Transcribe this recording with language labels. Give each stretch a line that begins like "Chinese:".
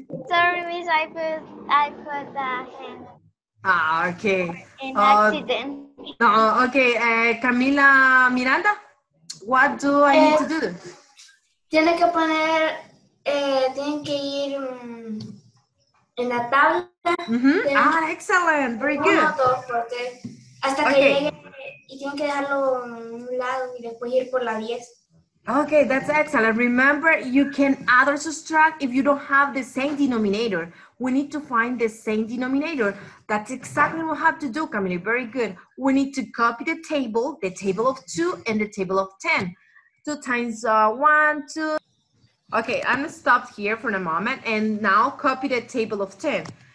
English: Sorry, Miss, I put the hand. Okay. In accident. No, okay, Camila Miranda, what do I need to do?
Spanish: Tiene que poner, tiene que ir en la tabla.
English: Mm-hmm. Ah, excellent, very good.
Spanish: Uno, dos, porque hasta okay. Que llegue, y tiene que dejarlo en un lado y después ir por la 10.
English: Okay, that's excellent. Remember, you can add or subtract if you don't have the same denominator. We need to find the same denominator. That's exactly what we have to do, Camille. Very good. We need to copy the table of 2 and the table of 10. 2 times 1, 2. Okay, I'm going to stop here for a moment and now copy the table of 10.